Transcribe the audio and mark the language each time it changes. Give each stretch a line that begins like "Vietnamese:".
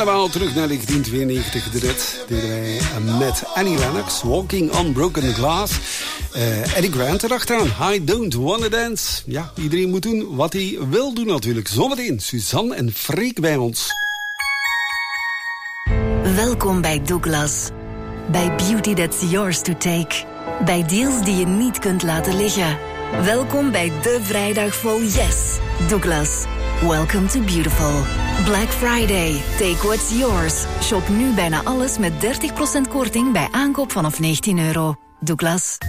Dutch: Terug naar 1992, dit deden wij met Annie Lennox, Walking on Broken Glass. Eddie Grant erachteraan, I Don't Wanna Dance. Ja, iedereen moet doen wat hij wil doen natuurlijk. Zometeen Suzanne en Freek bij ons. Welkom bij Douglas.
English: Bij beauty that's yours to take.
Dutch: Bij deals die je niet kunt laten liggen. Welkom bij de vrijdag vol yes, Douglas.
English: Welcome to beautiful. Black Friday. Take what's yours.
Dutch: Shop nu bijna alles met 30% korting bij aankoop vanaf 19 euro. Douglas.